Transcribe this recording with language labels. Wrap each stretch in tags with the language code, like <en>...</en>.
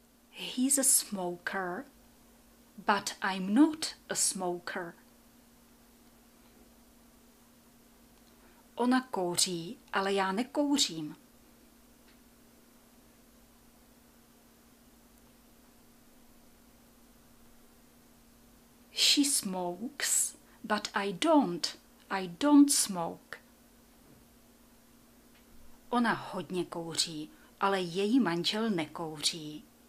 <en>He's a smoker, but I'm not a smoker.</en> <cs>Ona kouří, ale já nekouřím.</cs> <en>She smokes, but I don't smoke.</en> <cs>Ona hodně kouří, ale její manžel nekouří.</cs>